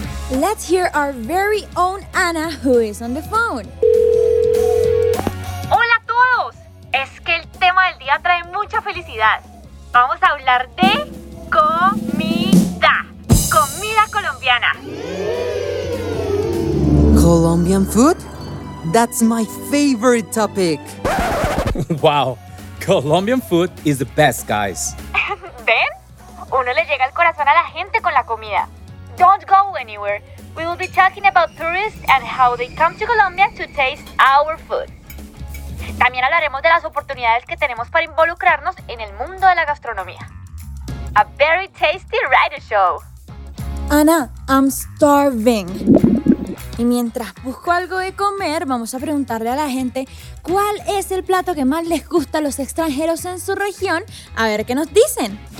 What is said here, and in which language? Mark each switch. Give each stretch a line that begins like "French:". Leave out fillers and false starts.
English: Let's hear our very own Ana, who is on the phone.
Spanish: ¡Hola a todos! Es que el tema del día trae mucha felicidad. Vamos a hablar de comida. Comida colombiana.
English: Colombian food? That's my favorite topic. Wow, Colombian food is the best, guys.
Spanish: ¿Ven? Uno le llega al corazón a la gente con la comida.
English: Don't go anywhere. We will be talking about tourists and how they come to Colombia to taste our food.
Spanish: También hablaremos de las oportunidades que tenemos para involucrarnos en el mundo de la gastronomía.
English: A very tasty writer show. Ana, I'm starving.
Spanish: Y mientras busco algo de comer, vamos a preguntarle a la gente cuál es el plato que más les gusta a los extranjeros en su región, a ver qué nos dicen.